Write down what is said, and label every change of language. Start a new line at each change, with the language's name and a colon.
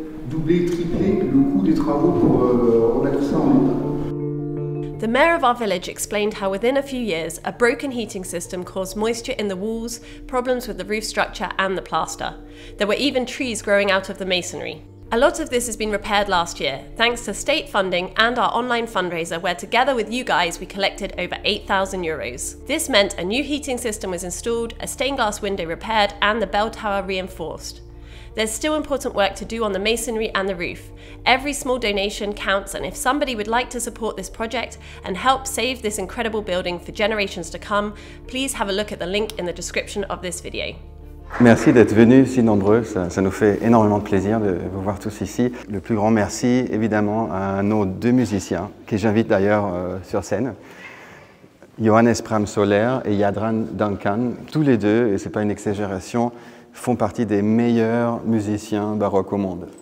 French: Doubler, tripler le coût des travaux pour remettre ça en état.
English: The mayor of our village explained how within a few years, a broken heating system caused moisture in the walls, problems with the roof structure and the plaster. There were even trees growing out of the masonry. A lot of this has been repaired last year, thanks to state funding and our online fundraiser, where together with you guys, we collected over 8,000 euros. This meant a new heating system was installed, a stained glass window repaired, and the bell tower reinforced. There's still important work to do on the masonry and the roof. Every small donation counts, and if somebody would like to support this project and help save this incredible building for generations to come, please have a look at the link in the description of this video.
French: Merci d'être venus si nombreux, ça nous fait énormément de plaisir de vous voir tous ici. Le plus grand merci évidemment à nos deux musiciens, que j'invite d'ailleurs sur scène. Johannes Pramsohler et Jadran Duncan, tous les deux, et c'est pas une exagération, font partie des meilleurs musiciens baroques au monde.